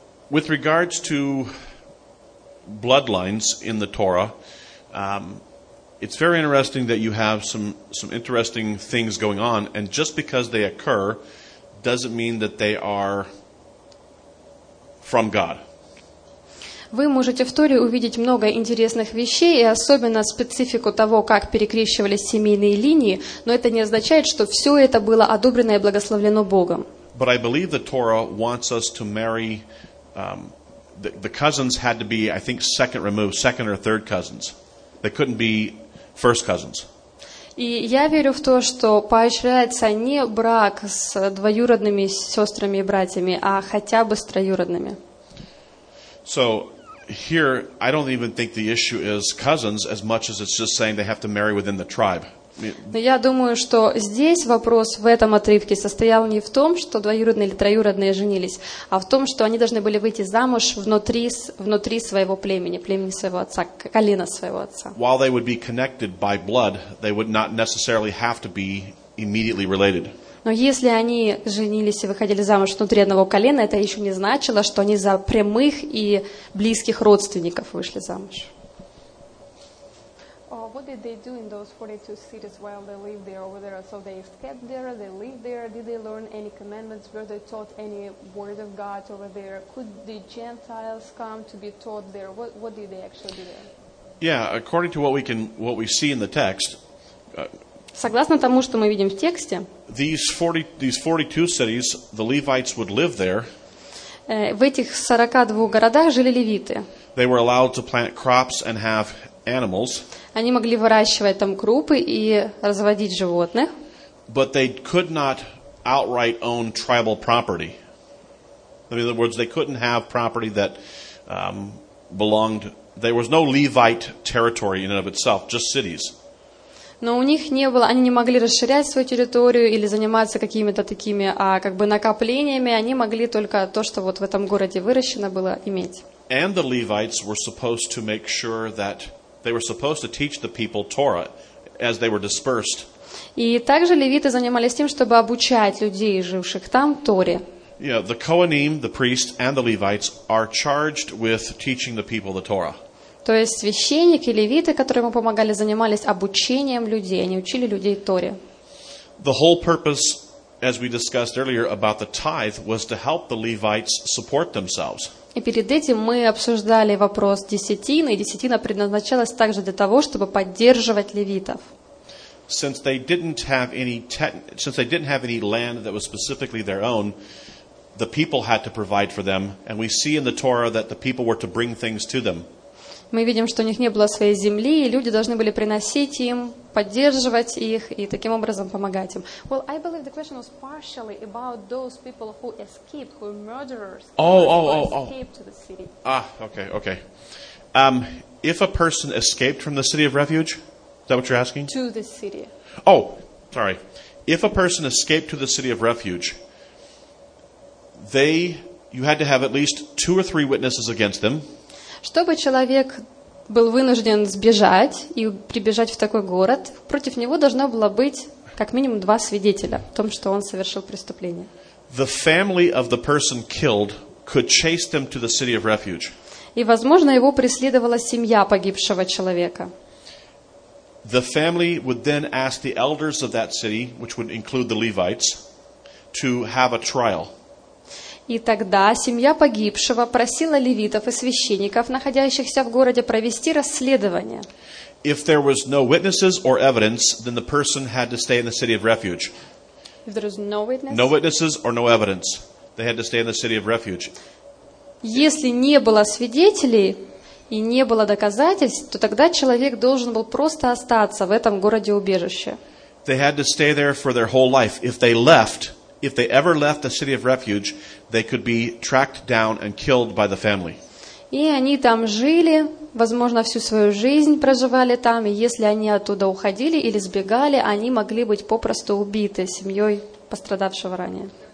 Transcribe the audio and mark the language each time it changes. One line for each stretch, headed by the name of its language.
English: With regards to bloodlines in the Torah, it's very interesting that you have some interesting things going on, and just because they occur doesn't mean that they are from God.
Russian: Вы можете в Торе увидеть много интересных вещей, и особенно специфику того, как перекрещивались семейные линии, но это не означает, что все это было одобрено и благословлено Богом.
English: But I believe the Torah wants us to marry the cousins had to be, I think, second removed, second or third cousins. They couldn't be first cousins.
Russian: И я верю в то, что поощряется не брак с двоюродными сестрами и братьями, а хотя бы с троюродными.
English: So here I don't even think the issue is cousins as much as it's just saying they have to marry within the tribe.
Russian: Но я думаю, что здесь вопрос в этом отрывке состоял не в том, что двоюродные или троюродные женились, а в том, что они должны были выйти замуж внутри своего племени своего отца, колена своего отца.
English: While they would be connected by blood, they would not necessarily have to be immediately related.
Russian: Но если они женились и выходили замуж внутри одного колена, это еще не значило, что они за прямых и близких родственников вышли замуж.
English: What did they do in those 42 cities while they lived there over there? So they escaped there, they lived there. Did they learn any commandments? Were they taught any word of God over there? Could the Gentiles come to be taught there? What did they actually do there? Yeah, according to what we see in the text.
Russian: Согласно тому, что мы видим в тексте.
English: These 42 cities, the Levites would live there.
Russian: В этих 42 городах жили левиты.
English: They were allowed to plant crops and have animals.
Russian: Они могли выращивать там крупы и разводить животных.
English: But they could not outright own tribal property. In other words, they couldn't have property that belonged. There was no Levite territory in and of itself, just cities.
Russian: Но у них не было, они не могли расширять свою территорию или заниматься какими-то такими, а как бы накоплениями. Они могли только то, что вот в этом городе выращено было, иметь.
English: And the Levites were supposed to make sure that They were supposed to teach the people Torah as they were dispersed.
Russian: И также левиты занимались тем, чтобы обучать людей, живших там, Торе.
English: You know, the Kohanim, the priests, and the Levites are charged with teaching the people the Torah.
Russian: То есть священники и левиты, которые ему помогали, занимались обучением людей, они учили людей Торе.
English: The whole purpose, as we discussed earlier about the tithe, was to help the Levites support themselves.
Russian: И перед этим мы обсуждали вопрос десятины, и десятина предназначалась также для того, чтобы поддерживать левитов.
English: Since they didn't have any land that was specifically their own, the people had to provide for them, and we see in the Torah that the people were to bring things to them.
Russian: Мы видим, что у них не было своей земли, и люди должны были приносить им, поддерживать их и таким образом помогать им.
English: Well, I believe the question was partially about those people who escaped, who murderers. Escaped to the city. Ah, okay. If a person escaped from the city of refuge, is that what you're asking? To the city. Oh, sorry. If a person escaped to the city of refuge, you had to have at least two or three witnesses against them.
Russian: Чтобы человек был вынужден сбежать и прибежать в такой город, против него должно было быть как минимум два свидетеля о том, что он совершил преступление.
English: The family of the person killed could chase them to the city of refuge.
Russian: И, возможно, его преследовала семья погибшего человека.
English: The family would then ask the elders of that city, which would include the Levites, to have a trial.
Russian: И тогда семья погибшего просила левитов и священников, находящихся в городе, провести расследование.
English: If there was no witnesses or evidence, then the person had to stay in the city of refuge. If there was no witnesses? No witnesses or no evidence. They had to stay in the city of refuge.
Russian: Если не было свидетелей и не было доказательств, то тогда человек должен был просто остаться в этом городе-убежище.
English: They had to stay there for their whole life. If they ever left the city of refuge, they could be tracked down and killed by the family.
Russian: И они там жили, возможно, всю свою жизнь проживали там, и если они оттуда уходили или сбегали, они могли быть попросту убиты семьей пострадавшего ранее.